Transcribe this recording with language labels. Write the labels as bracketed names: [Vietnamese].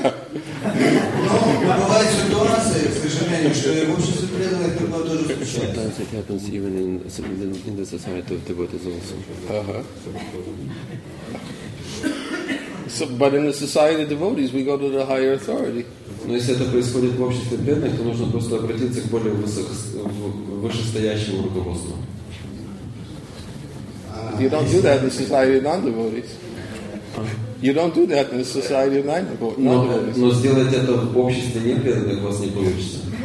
[English] Sometimes it happens even in the society of devotees also. So, but in the society of devotees, we go to the higher authority. [Russian] Но если это происходит в обществе преданных, то нужно просто обратиться к более вышестоящему руководству. [English] You don't do that in the society of non-devotees. You don't do that in the society of non-devotees. [Russian] Но сделать это в обществе непреданных у вас не получится.